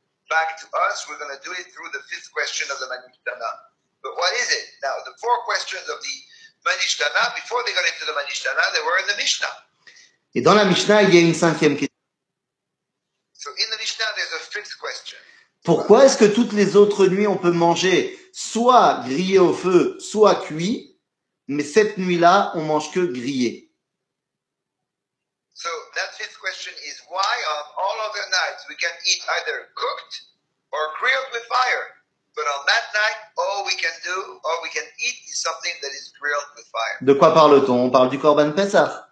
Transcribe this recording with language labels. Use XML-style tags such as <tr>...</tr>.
<en>Back to us, we're going to do it through the fifth question of the Manishtana. But what is it? Now, the 4 questions of the Manishtana, before they got into the Manishtana, they were in the Mishnah.</en> <fr>Et dans la Mishnah, il y a une 5e question.</fr> <en>So in the Mishnah, there's a fifth question.</en> <fr>Pourquoi est-ce que toutes les autres nuits, on peut manger soit grillé au feu, soit cuit, mais cette nuit-là, on mange que grillé?</fr> <en>So that fifth question is why on all other nights we can eat either cooked or grilled with fire, but on that night all we can eat is something that is grilled with fire.</en> <fr>De quoi parle-t-on? On parle du Korban Pesach.</fr>